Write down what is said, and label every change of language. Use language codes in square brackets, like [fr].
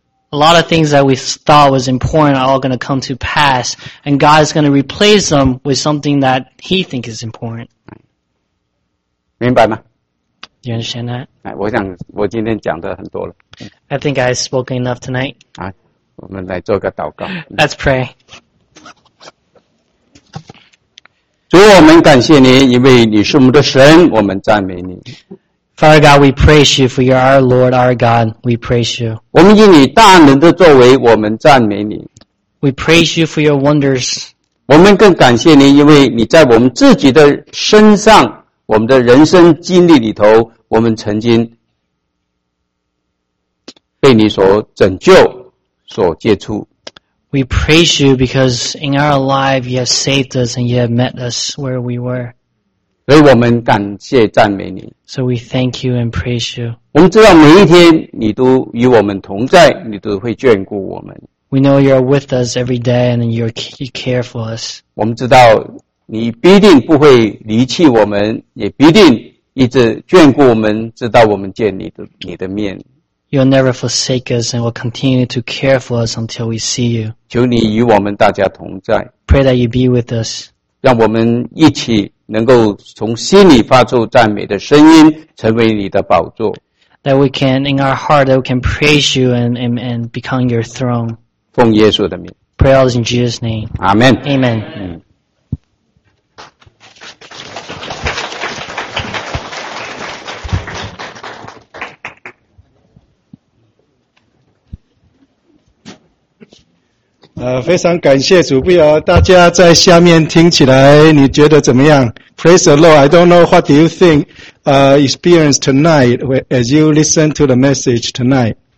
[en] A lot of things that we thought was important are all going to come to pass, and God is going to replace them with something that He thinks is important. [zh] 明白吗? [en] You understand that? [zh] 我想我今天讲的很多了。 [en] I think I've spoken enough tonight. [zh] 我们来做个祷告。 [en] Let's pray. [zh] 主，我们感谢你，因为你是我们的神，我们赞美你。 [en] Father God, we praise you, for you are our Lord, our God, we praise you. [zh] 我们以你大能的作为，我们赞美你。 [en] We praise you for your wonders. [zh] 我们更感谢你，因为你在我们自己的身上，我们的人生经历里头，我们曾经被你所拯救，所解除。 [en] We praise you because in our life you have saved us and you have met us where we were. [zh] 所以我们感谢赞美你。 [en] So we thank you and praise you. [zh] 我们知道每一天你都与我们同在，你都会眷顾我们。 [en] We know you are with us every day and you care for us. [zh] 我们知道你必定不会离弃我们，也必定一直眷顾我们，直到我们见你的面。 [en] You'll never forsake us and will continue to care for us until we see you. [zh] 求你与我们大家同在。 [en] Pray that you be with us. [zh] 让我们一起能够从心里发出赞美的声音，成为你的宝座。 [en] That we can, in our heart, that we can praise you and become your throne. [zh] 奉耶稣的名。 [en] Pray all this in Jesus' name. Amen. Amen. 嗯 [zh] 非常感谢主，不要大家在下面听起来你觉得怎么样？ [en] Praise the Lord, I don't know what do you think experience tonight as you listen to the message tonight.